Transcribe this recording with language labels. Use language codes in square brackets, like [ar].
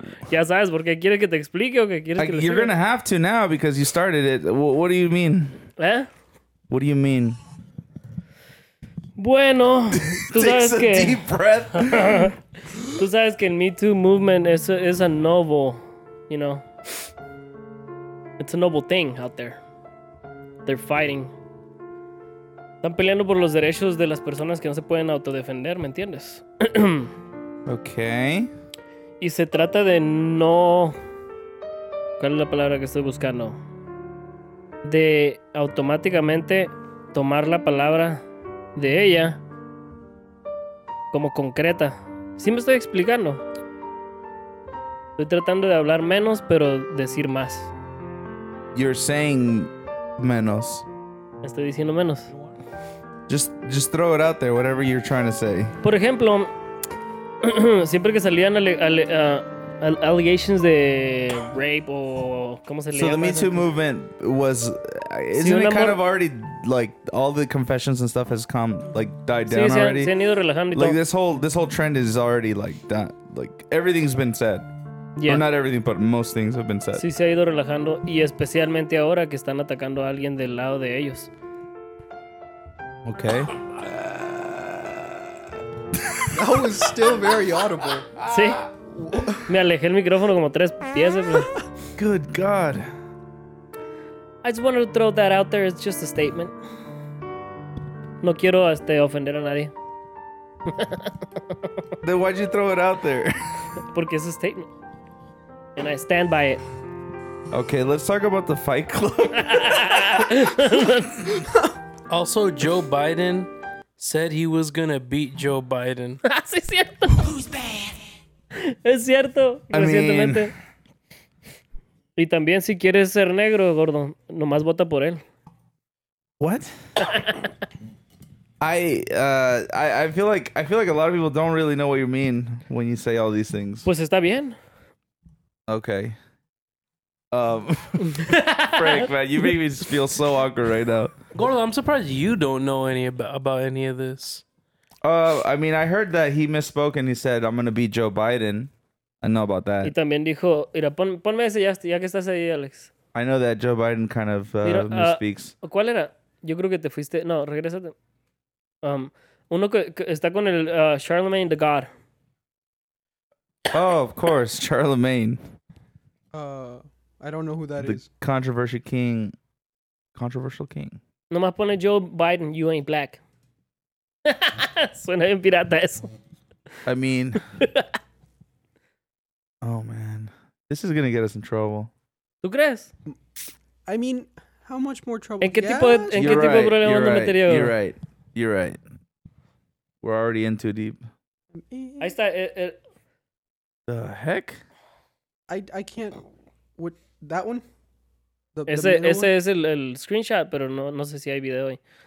[es] Ya sabes, porque quieres que te explique o que quieres que le [en] explique. You're going to have to now because you started it. What do you mean? ¿Eh? What do you mean? [es] Bueno, tú sabes que... [en] Takes a deep breath. [es] Tú sabes que el [en] Me Too movement is a noble, you know. It's a noble thing out there. They're fighting. [es] Están peleando por los derechos de las personas que no se pueden autodefender, ¿me entiendes? [en] Okay. [es] Y se trata de no... ¿Cuál es la palabra que estoy buscando? De automáticamente tomar la palabra de ella como concreta. ¿Sí me estoy explicando? Estoy tratando de hablar menos, pero decir más. [en] You're saying menos. [es] Estoy diciendo menos. [en] Just throw it out there, whatever you're trying to say. [es] Por ejemplo, siempre que salían allegations de rape o... ¿Cómo se le llama? [en] So the Me Too movement was... Isn't it kind of already like all the confessions and stuff has come like died down already. [es] Se han ido relajando y [en] like todo. this whole trend is already like that. Like everything's been said. Yeah. Or not everything, but most things have been said. [es] Sí, se ha ido relajando y especialmente ahora que están atacando a alguien del lado de ellos. [en] Okay. That was still very audible. [es] Sí. Me alejé el micrófono como tres pies. [en] Good God. I just wanted to throw that out there. It's just a statement. [es] No quiero ofender a nadie. [en] Then why'd you throw it out there? [es] Porque es [en] a statement. And I stand by it. Okay, let's talk about the Fight Club. Also, Joe Biden said he was gonna beat Joe Biden. [es] Sí, es cierto. [en] Who's bad? [es] Es cierto. Recientemente. Y también si quieres ser negro, gordo, nomás vota por él. [en] What? I feel like a lot of people don't really know what you mean when you say all these things. [es] Pues está bien. [en] Okay. Frank, man, you make me feel so awkward right now. Gordo, I'm surprised you don't know any about any of this. I mean, I heard that he misspoke and he said, I'm going to beat Joe Biden. I know about that. [es] Y también dijo, mira, ponme ese ya que estás ahí, Alex. [en] I know that Joe Biden kind of misspeaks. [es] ¿Cuál era? Yo creo que te fuiste. No, regrésate. Uno que está con el Charlemagne the God. [en] Oh, of course, Charlemagne. I don't know who that is. The controversial king. Controversial king. [es] Nomás pone Joe Biden, [en] you ain't black. [es] Suena bien pirata eso. [en] I mean... Oh, man. This is going to get us in trouble. [es] ¿Tú crees? [en] I mean, how much more trouble? [es] ¿En qué tipo de, en qué tipo de problema [en] you're [es] no [en] right. [es] metería? [en] You're right. You're right. We're already in too deep. [es] Ahí está. [en] The heck? I can't... What, that one? [es] Ese es el screenshot, pero no sé si hay video ahí.